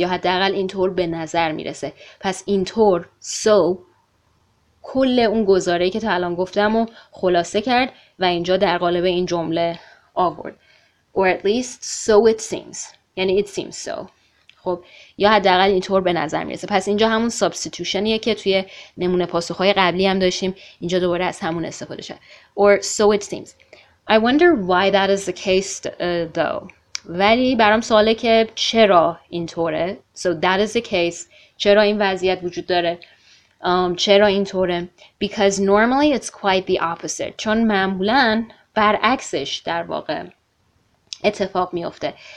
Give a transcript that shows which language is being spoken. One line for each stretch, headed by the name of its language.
Persian: یا حداقل اینطور به نظر میرسه. پس اینطور so کل اون گزاره‌ای که تا الان گفتم رو خلاصه کرد و اینجا در قالب این جمله آورد.
English: Or at least so it seems.
Persian: یعنی
English: it seems so.
Persian: خب یا حداقل اینطور به نظر میرسه. پس اینجا همون سابستیتوشنیه که توی نمونه پاسخهای قبلی هم داشتیم، اینجا دوباره از همون استفاده شد.
English: Or so it seems. I wonder why that is the case though.
Persian: ولی برام سواله که چرا اینطوره.
English: So that is the case.
Persian: چرا این وضعیت وجود داره؟ چرا اینطوره؟
English: Because normally it's quite the opposite.
Persian: چون معمولاً برعکسش در واقع اتفاق میفته.